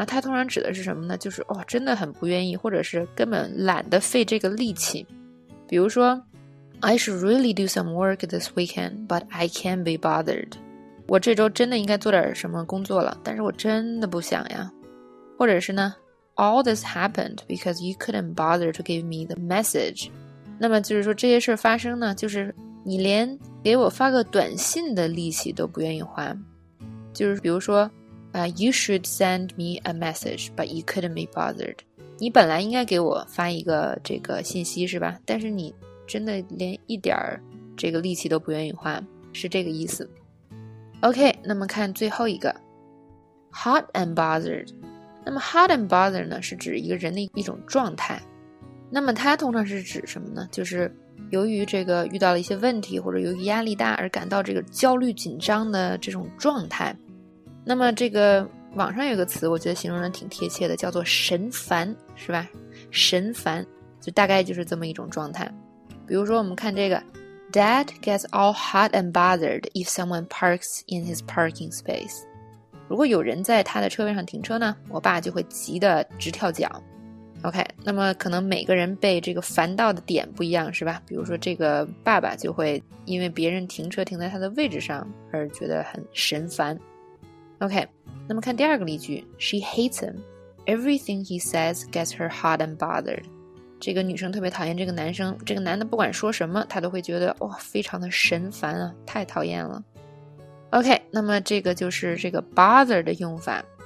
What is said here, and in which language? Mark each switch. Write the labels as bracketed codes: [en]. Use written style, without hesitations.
[zh] 那它通常指的是什么呢，就是哦，真的很不愿意或者是根本懒得费这个力气，比如说 [en] I should really do some work this weekend, but I can't be bothered. [zh] 我这周真的应该做点什么工作了，但是我真的不想呀。或者是呢 [en] ,All this happened because you couldn't bother to give me the message. [zh] 那么就是说这些事发生呢，就是你连给我发个短信的力气都不愿意花。就是比如说, [en] You should send me a message, but you couldn't be bothered. [zh] 你本来应该给我发一个这个信息是吧，但是你真的连一点这个力气都不愿意花，是这个意思。 OK， 那么看最后一个 Hot and bothered， 那么 hot and bothered 呢是指一个人的一种状态，那么它通常是指什么呢，就是由于这个遇到了一些问题或者由于压力大而感到这个焦虑紧张的这种状态。那么这个网上有个词我觉得形容的挺贴切的，叫做神烦是吧，神烦就大概就是这么一种状态。比如说我们看这个 [en] Dad gets all hot and bothered if someone parks in his parking space， [zh] 如果有人在他的车位上停车呢，我爸就会急得直跳脚。 OK， 那么可能每个人被这个烦到的点不一样，是吧？比如说这个爸爸就会因为别人停车停在他的位置上而觉得很神烦。 OK， 那么看第二个例句 ， [en] She hates him. Everything he says gets her hot and bothered. [zh] 这个女生特别讨厌这个男生，这个男的不管说什么，她都会觉得哇、哦，非常的神烦啊，太讨厌了。OK， 那么这个就是这个 bothered 的用法。